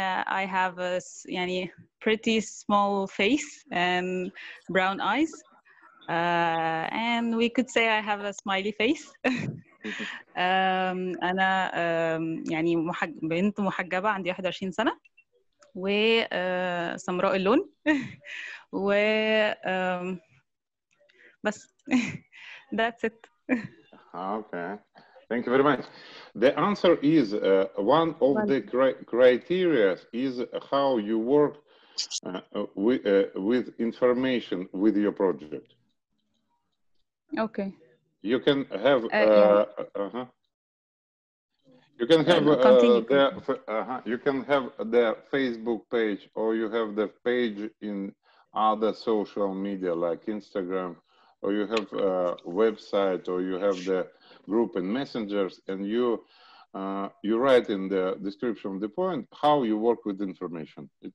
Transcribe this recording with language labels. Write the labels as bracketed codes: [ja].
[en] I have a yani pretty small face and brown eyes, and we could say I have a smiley face. [ar] أنا يعني بنت محجبة عندي 21 سنة وسمراء اللون و بس. [en] That's it. Okay. Thank you very much. The answer is one of the criteria is how you work with information with your project. Okay. You can have the Facebook page, or you have the page in other social media like Instagram, or you have a website, or you have the group and messengers, and you write in the description of the point how you work with information.